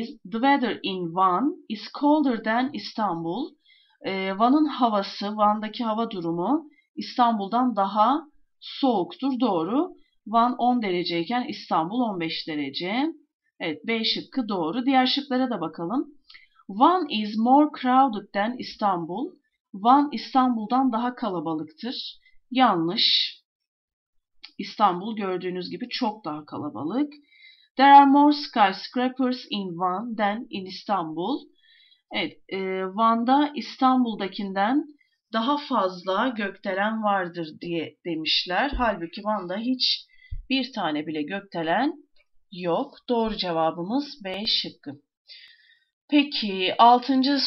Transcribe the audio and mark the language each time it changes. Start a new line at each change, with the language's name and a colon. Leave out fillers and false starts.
English: The weather in Van is colder than Istanbul.
Turkish: Van'ın havası, Van'daki hava durumu İstanbul'dan daha soğuktur. Doğru. Van 10 dereceyken İstanbul 15 derece. Evet, B şıkkı doğru. Diğer şıklara da bakalım.
English: Van is more crowded than Istanbul.
Turkish: Van İstanbul'dan daha kalabalıktır. Yanlış. İstanbul gördüğünüz gibi çok daha kalabalık.
English: There are more skyscrapers in Van than in Istanbul.
Turkish: Evet, Van'da İstanbul'dakinden daha fazla gökdelen vardır diye demişler. Halbuki Van'da hiç bir tane bile gökdelen Yok, doğru cevabımız B şıkkı. Peki, 6.